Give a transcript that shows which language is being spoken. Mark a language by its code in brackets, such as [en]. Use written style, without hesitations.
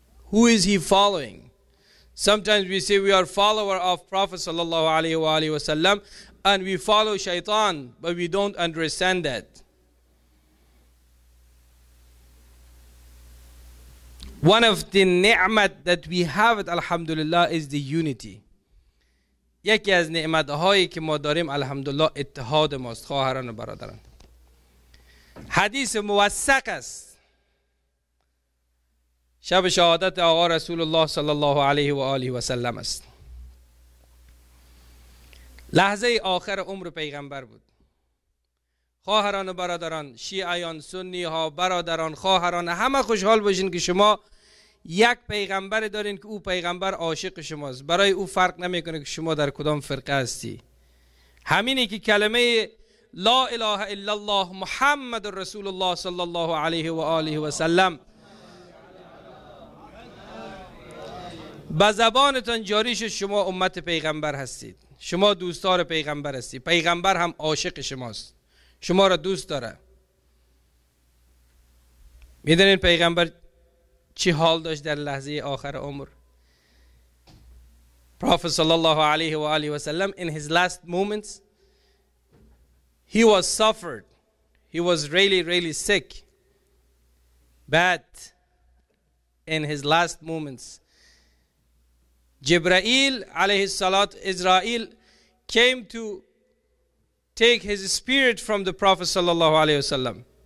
[en] Who is he following? Sometimes we say we are follower of Prophet sallallahu alaihi wasallam, and we follow shaitan, but we don't understand that. One of the ni'mat that we have at alhamdulillah is the unity. [fa] یکی از نعمت‌هایی که ما داریم الحمدلله اتحاد ماست خواهران و برادران. حدیث موثق است. شب شهادت آقا رسول الله صلی الله علیه و آله و سلم است. لحظه آخر عمر پیغمبر بود. خواهران و برادران، شیعیان، سنی ها، برادران، خواهران، همه خوشحال باشین که شما یک پیغمبر دارین که او پیغمبر عاشق شماست. برای او فرق نمیکنه که شما در کدام فرقه هستی. همینی که کلمه لا اله الا الله محمد رسول الله صلی الله علیه و آله و سلم به زبانتان جاریش، شما امت پیغمبر هستید، شما دوستار پیغمبر هستید، پیغمبر هم عاشق شماست، شما را دوست داره. میدونین پیغمبر چی حال داشت در لحظه آخر عمر؟ [en] Prophet sallallahu alayhi wa alayhi wa sallam, in his last moments, he was suffered. He was really, really sick. But in his last moments, Jibreel alayhi salat, Israel, came to take his spirit from the Prophet sallallahu alayhi wa sallam.